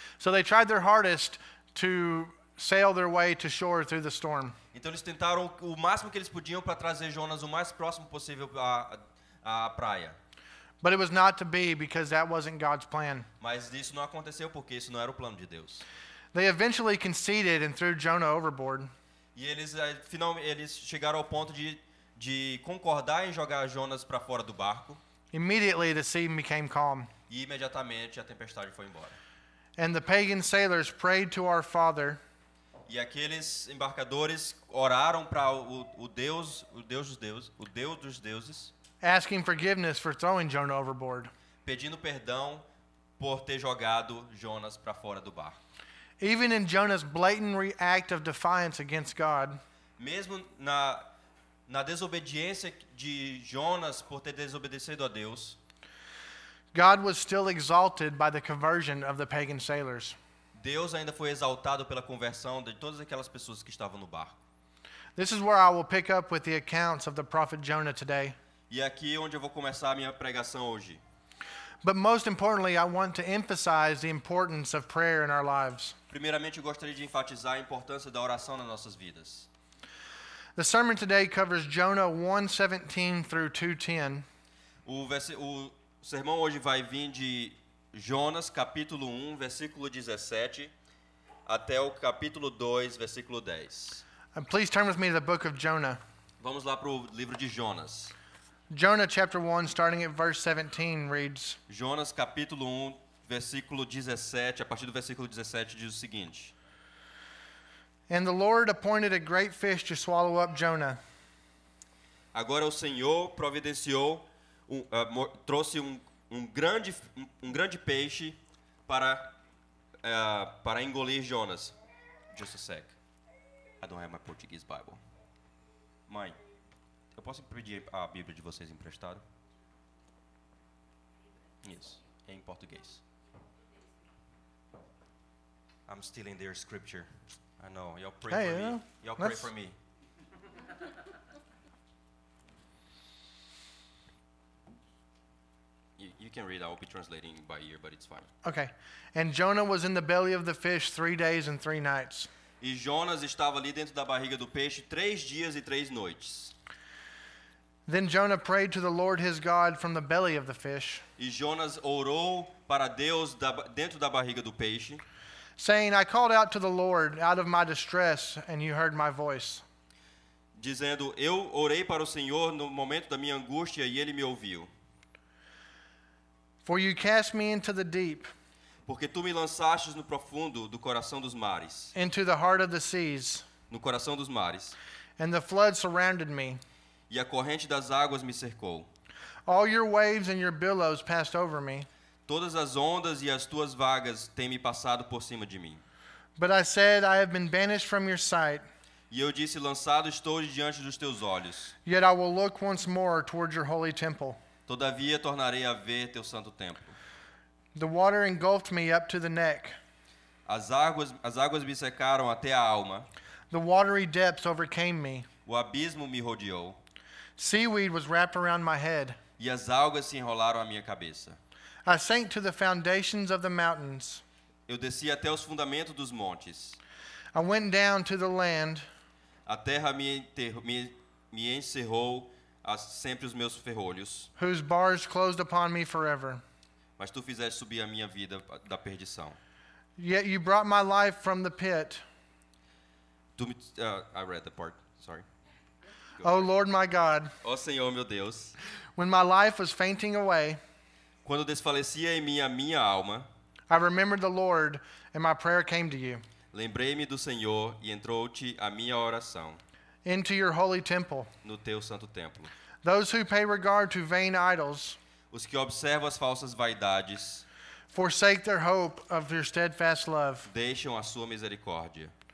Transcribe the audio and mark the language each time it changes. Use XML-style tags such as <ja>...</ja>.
<en>So they tried their hardest to sail their way to shore through the storm.</en> <pt>Então eles tentaram o máximo que eles podiam para trazer Jonas o mais próximo possível à praia.</pt> <en>But it was not to be, because that wasn't God's plan.</en> <pt>Mas isso não aconteceu porque isso não era o plano de Deus.</pt> <en>They eventually conceded and threw Jonah overboard.</en> <pt>E eles finalmente chegaram ao ponto de concordar em jogar Jonas para fora do barco.</pt> <en>Immediately the sea became calm.</en> <pt>E imediatamente a tempestade foi embora.</pt> <en>And the pagan sailors prayed to our father.</en> <pt>E aqueles embarcadores oraram para o Deus dos deuses,</pt> <en>asking forgiveness for throwing Jonah overboard.</en> <pt>Pedindo perdão por ter jogado Jonas para fora do barco.</pt> <en>Even in Jonah's blatant act of defiance against God,</en> <pt>mesmo na desobediência de Jonas por ter desobedecido a Deus,</pt> <en>God was still exalted by the conversion of the pagan sailors.</en> <pt>Deus ainda foi exaltado pela conversão de todas aquelas pessoas que estavam no barco.</pt> <en>This is where I will pick up with the accounts of the prophet Jonah today.</en> <pt>E aqui onde eu vou começar a minha pregação hoje.</pt> <en>But most importantly, I want to emphasize the importance of prayer in our lives.</en> <pt>Primeiramente, eu gostaria de enfatizar a importância da oração nas nossas vidas.</pt> <en>The sermon today covers Jonah 1:17 through 2:10.</en> <pt>O sermão hoje vai vir de Jonas, capítulo 1, versículo 17, até o capítulo 2, versículo 10.</pt> <en>And please turn with me to the book of Jonah.</en> <pt>Vamos lá para o livro de Jonas.</pt> <en>Jonah chapter 1, starting at verse 17, reads.</en> <pt>Jonas capítulo 1, versículo 17, a partir do versículo 17 diz o seguinte.</pt> <en>And the Lord appointed a great fish to swallow up Jonah.</en> <pt>Agora o Senhor providenciou, trouxe um grande peixe para engolir Jonas.</pt> <en>Just a sec. I don't have my Portuguese Bible.</en> <pt>Mãe. Eu posso pedir a Bíblia de vocês emprestada? Isso, é em português.</pt> <en>I'm stealing their scripture. I know. Y'all pray hey, for me. Y'all pray for me. You can read. I'll be translating by ear, but it's fine. Okay. And Jonah was in the belly of the fish 3 days and 3 nights.</en> <pt>E Jonas estava ali dentro da barriga do peixe 3 dias e 3 noites.</pt> <en>Then Jonah prayed to the Lord his God from the belly of the fish.</en> <pt>E Jonas orou para Deus dentro da barriga do peixe.</pt> <en>Saying, I called out to the Lord out of my distress, and you heard my voice.</en> <pt>Dizendo, eu orei para o Senhor no momento da minha angústia e ele me ouviu.</pt> <en>For you cast me into the deep.</en> <pt>Porque tu me lançastes no profundo do coração dos mares.</pt> <en>Into the heart of the seas.</en> <pt>No coração dos mares.</pt> <en>And the flood surrounded me.</en> <pt>E a corrente das águas me cercou.</pt> <en>All your waves and your billows passed over me.</en> <pt>Todas as ondas e as tuas vagas têm-me passado por cima de mim.</pt> <en>But I said, I have been banished from your sight.</en> <pt>E eu disse, lançado estou diante dos teus olhos.</pt> <en>Yet I will look once more toward your holy temple.</en> <pt>Todavia tornarei a ver teu santo templo.</pt> <en>The water engulfed me up to the neck.</en> <pt>As águas me secaram até a alma.</pt> <en>The watery depths overcame me.</en> <pt>O abismo me rodeou.</pt> <en>Seaweed was wrapped around my head.</en> <pt>E as algas se enrolaram à minha cabeça.</pt> <en>I sank to the foundations of the mountains.</en> <pt>Eu desci até os fundamentos dos montes.</pt> <en>I went down to the land.</en> <pt>A terra me encerrou a sempre os meus ferrolhos.</pt> <en>Whose bars closed upon me forever.</en> <pt>Mas tu fizeste subir a minha vida da perdição.</pt> <en>Yet you brought my life from the pit. I read the part, sorry. Oh Lord my God.</en> <pt>Oh Senhor meu Deus.</pt> <en>When my life was fainting away.</en> <pt>Quando desfalecia em mim a minha alma.</pt> <en>I remembered the Lord and my prayer came to you.</en> <pt>Lembrei-me do Senhor e entrou-te a minha oração.</pt> <en>Into your holy temple.</en> <pt>No teu santo templo.</pt> <en>Those who pay regard to vain idols.</en> <pt>Os que observam as falsas vaidades.</pt> <en>Forsake their hope of your steadfast love.</en> <pt>Deixam a sua misericórdia.</pt>